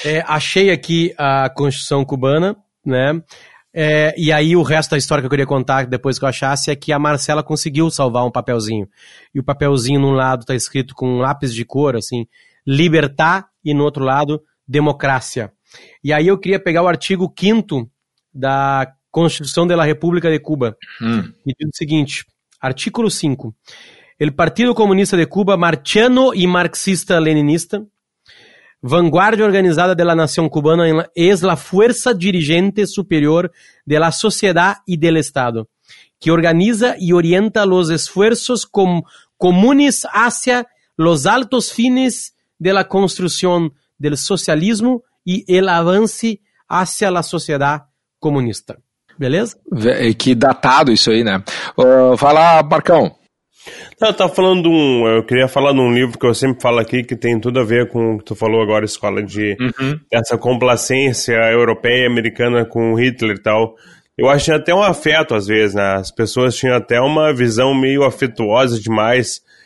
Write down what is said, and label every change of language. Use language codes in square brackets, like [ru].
[pt] Achei aqui a Constituição Cubana, né? E aí o resto da história que eu queria contar depois que eu achasse é que a Marcela conseguiu salvar um papelzinho. E o papelzinho, num lado, tá escrito com um lápis de cor, assim, libertar, e no outro lado, democracia. E aí eu queria pegar o artigo 5º da Constituição da República de Cuba, que diz o seguinte... [es] Artículo 5. El Partido Comunista de Cuba, marciano e marxista-leninista, vanguardia organizada de la nación cubana, es la fuerza dirigente superior de la sociedad y del Estado, que organiza y orienta los esfuerzos comunes hacia los altos fines de la construcción del socialismo y el avance hacia la sociedad comunista. [pt] Beleza? Que datado isso aí, né? Vai lá, Marcão. Eu tava falando de um. Eu queria falar de um livro que eu sempre falo aqui, que tem tudo a ver com o que tu falou agora, escola, de essa complacência europeia e americana com Hitler e tal. Eu acho que tinha até um afeto, às vezes, né? As pessoas tinham até uma visão meio afetuosa demais.